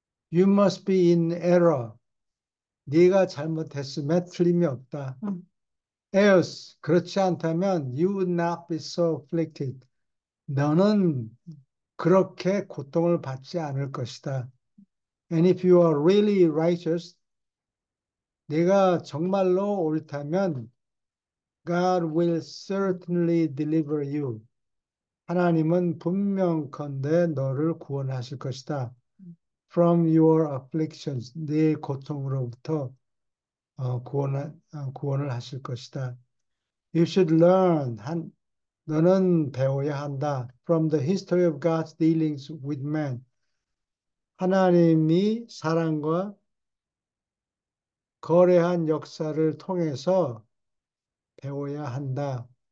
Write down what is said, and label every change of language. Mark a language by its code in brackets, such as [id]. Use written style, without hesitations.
[en] You must be in error. [ko] 네가 잘못했음에 틀림이 없다. [en] Else, [ko] 그렇지 않다면, [en] you would not be so afflicted. [ko] 너는 그렇게 고통을 받지 않을 것이다. [en] And if you are really righteous, [ko] 네가 정말로 옳다면, [en] God will certainly deliver you. [ko] 하나님은 분명컨대 너를 구원하실 것이다. [en] From your afflictions, [ko] 네 고통으로부터 구원을 하실 것이다. [en] You should learn, [ko] 너는 배워야 한다. [en] From the history of God's dealings with man. [ko] 하나님이 사람과 거래한 역사를 통해서 배워야 한다.